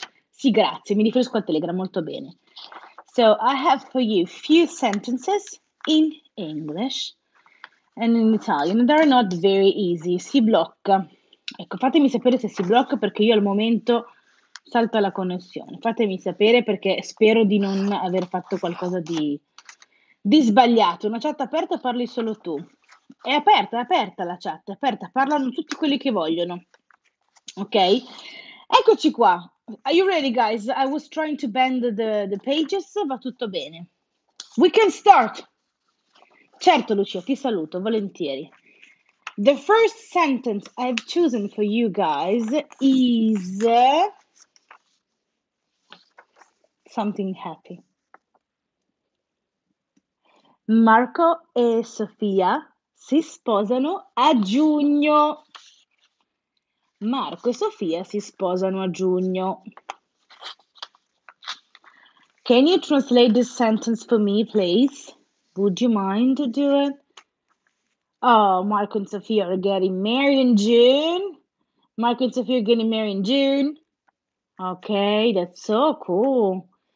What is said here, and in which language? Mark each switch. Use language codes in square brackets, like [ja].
[it] sì, grazie, mi riferisco al Telegram molto bene. [en] So, I have for you a few sentences in English and in Italian. They are not very easy. Si blocca. [it] Ecco, fatemi sapere se si blocca perché io al momento salto la connessione. Fatemi sapere perché spero di non aver fatto qualcosa di sbagliato. Una chat aperta, parli solo tu. È aperta la chat, è aperta. Parlano tutti quelli che vogliono. [en] Ok? Eccoci qua. Are you ready, guys? I was trying to bend the pages. Va tutto bene. We can start. Certo, Lucia, ti saluto volentieri. The first sentence I've chosen for you guys is something happy. [it] Marco e Sofia si sposano a giugno. Marco e Sofia si sposano a giugno. [en] Can you translate this sentence for me, please? Would you mind to do it? Oh, Marco and Sofia are getting married in June. Marco and Sofia are getting married in June. Okay, that's so cool.